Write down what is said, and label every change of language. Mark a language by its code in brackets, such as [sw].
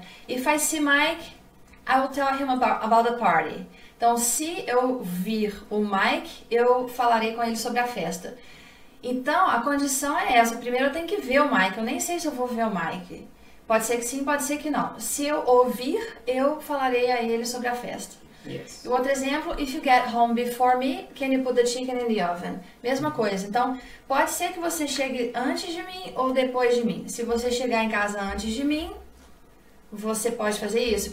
[en] If I see Mike, I will tell him about the party. [pt] Então, se eu vir o Mike, eu falarei com ele sobre a festa. Então, a condição é essa. Primeiro eu tenho que ver o Mike. Eu nem sei se eu vou ver o Mike. Pode ser que sim, pode ser que não. Se eu ouvir, eu falarei a ele sobre a festa. [en] Yes. [pt] O outro exemplo, [en] if you get home before me, can you put the chicken in the oven? [pt] Mesma coisa. Então, pode ser que você chegue antes de mim ou depois de mim. Se você chegar em casa antes de mim, você pode fazer isso.